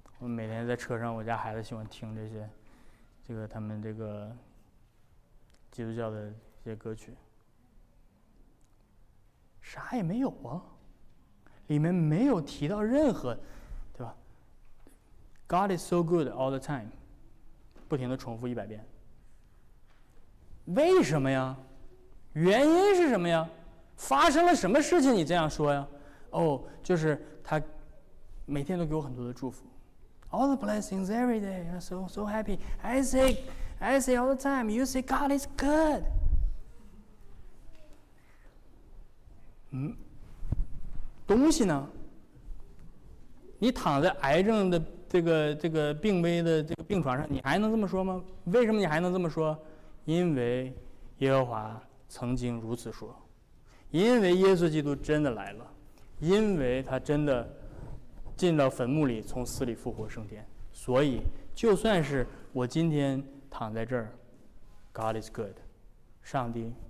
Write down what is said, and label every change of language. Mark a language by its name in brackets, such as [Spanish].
[Chinese] 我每天在车上，我家孩子喜欢听这些，这个他们这个基督教的一些歌曲，啥也没有啊，里面没有提到任何，对吧 ？ [English] God is so good all the time， [Chinese] 不停的重复一百遍，为什么呀？原因是什么呀？发生了什么事情你这样说呀？哦，就是他每天都给我很多的祝福。 [English] All the blessings every day, I'm so, so happy. I say all the time, you say God is good.、 [Chinese] 东西呢？你躺在癌症的这个病危的这个病床上，你还能这么说吗？为什么你还能这么说？因为耶和华曾经如此说。因为耶稣基督真的来了，因为他真的进到坟墓里，从死里复活升天，所以就算是我今天躺在这儿， [English] God is good， [Chinese] 上帝